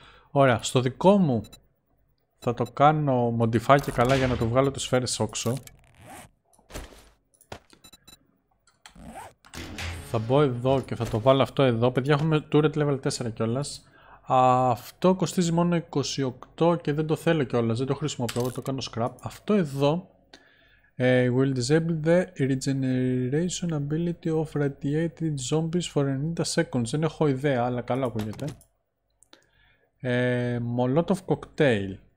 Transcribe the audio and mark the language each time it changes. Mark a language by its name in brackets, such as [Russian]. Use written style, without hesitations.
[Greek] Ωραία. Στο δικό μου θα το κάνω modify και καλά για να το βγάλω τις σφαίρες όξο. Θα μπω εδώ και θα το βάλω αυτό εδώ. Παιδιά, έχουμε turret level 4 κιόλας. Αυτό κοστίζει μόνο 28 και δεν το θέλω κιόλας. Δεν το χρησιμοποιώ. Το κάνω scrap. Αυτό εδώ... [English] will disable the regeneration ability of radiated zombies for 90 seconds. [Greek] Δεν έχω ιδέα, αλλά καλά ακούγεται. [English] Molotov cocktail.